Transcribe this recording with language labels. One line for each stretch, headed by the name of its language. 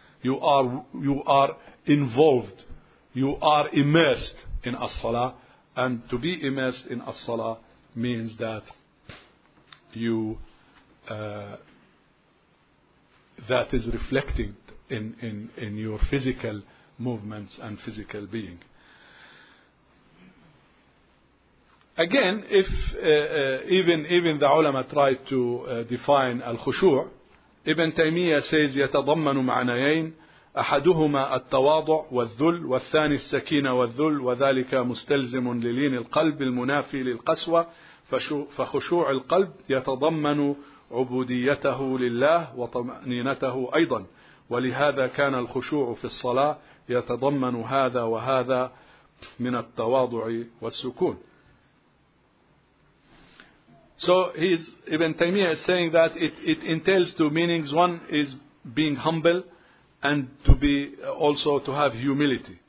English: You are involved. You are immersed in as-salah. And to be immersed in as-salah means that that is reflecting in your physical movements and physical being. Again, if even the ulama tried to define al-khushu', Ibn Taymiyyah says
Arabic: يتضمن معنيين أحدهما التواضع والذل والثاني السكينة والذل وذلك مستلزم للين القلب المنافي للقسوة فخشوع القلب يتضمن عبوديته لله وطمأنينته أيضا ولهذا كان الخشوع في الصلاة يتضمن هذا وهذا من التواضع والسكون.
English: So he's, Ibn Taymiyyah is saying that it entails two meanings. One is being humble and to be also to have humility.